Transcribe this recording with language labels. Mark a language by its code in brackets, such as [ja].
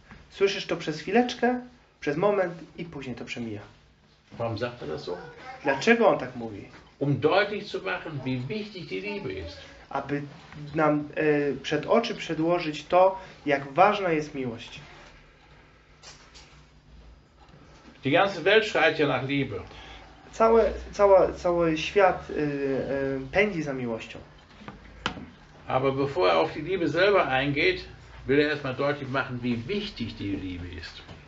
[pl] Słyszysz to przez chwileczkę, przez moment i później to przemija. [de] Warum sagt er das so? [pl] Dlaczego on tak mówi? [de] Um deutlich zu machen, wie wichtig die Liebe ist. [pl] Aby nam przed oczy przedłożyć to, jak ważna jest miłość. [de] Die ganze Welt schreit ja nach Liebe. [pl] Cały świat pędzi za miłością. [de] Aber bevor er auf die Liebe selber eingeht, will er erstmal deutlich machen, wie wichtig die Liebe ist.